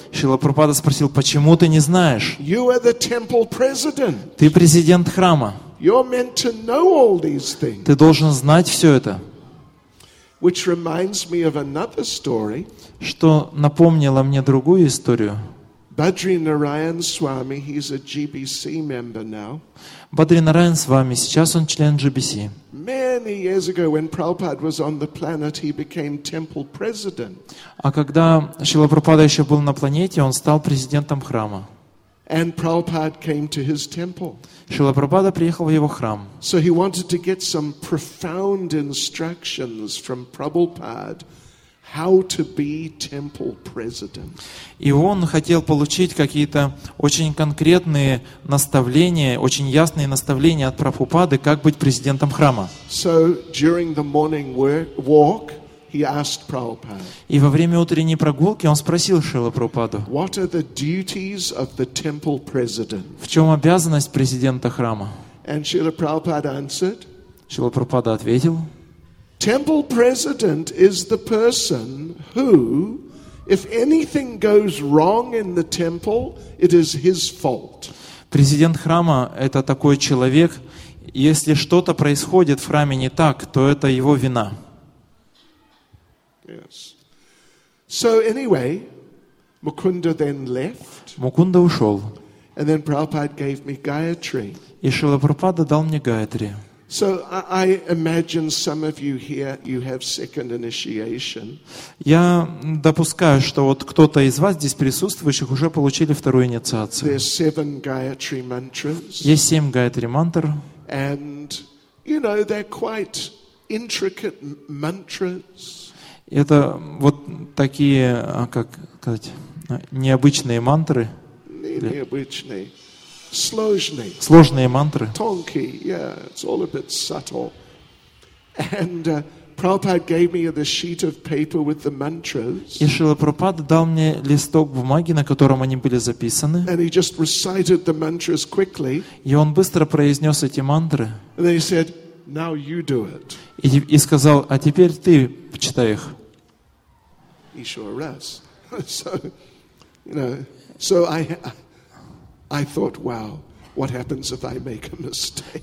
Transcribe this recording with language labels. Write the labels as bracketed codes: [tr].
[ru] Шрила Прабхупада спросил, почему ты не знаешь? [en] You are the temple president. [ru] Ты президент храма. [en] You're meant to know all these things. [ru] Ты должен знать все это. [en] Which reminds me of another story. [ru] Что напомнило мне другую историю. [en] Badri Narayan Swami, he's a GBC member now. [ru] Badri Narayan Swami, сейчас он член GBC. [en] Many years ago, when Prabhupada was on the planet, he became temple president. [ru] А когда Шрила Прабхупада еще был на планете, он стал президентом храма. [en] And Prabhupada came to his temple. [ru] Шрила Прабхупада приехал в его храм. [en] So he wanted to get some profound instructions from Prabhupada. How to be temple president? [ru] И он хотел получить какие-то очень конкретные наставления, очень ясные наставления от Прабхупады, как быть президентом храма. [en] So during the morning walk, he asked Prabhupada. [ru] И во время утренней прогулки он спросил Шрилу Прабхупаду. [en] What are the duties of the temple president? [ru] В чем обязанность президента храма? [en] And Shrila Prabhupada answered. [ru] Шрила Прабхупада ответил. [en] Temple president is the person who, if anything goes wrong in the temple, it is his fault. [ru] Президент храма — это такой человек, если что-то происходит в храме не так, то это его вина. [en] Yes. So anyway, Mukunda then left. [ru] Мукунда ушел. [en] And then Prabhupada gave me Gayatri. [ru] И Шрила Прабхупада дал мне Гаятри. [en] So I imagine some of you here you have second initiation. [ru] Я допускаю, что вот кто-то из вас здесь присутствующих уже получили вторую инициацию. [en] There's seven Gayatri mantras. [ru] Есть семь Гаятри мантр. [en] And you know they're quite intricate mantras. [ru] Это вот такие, как сказать, необычные мантры. Необычные. Сложные. Сложные мантры. Тонкие, [en] yeah, it's all a bit subtle. And Prabhupada gave me the sheet of paper with the mantras. [ru] И Шрила Прабхупада дал мне листок бумаги, на котором они были записаны. [en] And he just recited the mantras quickly. [ru] И он быстро произнес эти мантры. [en] And he said, "Now you do it." [ru] И сказал, а теперь ты читай их. Еще раз. [en] So, you know, so I thought, wow, what happens if I make a mistake?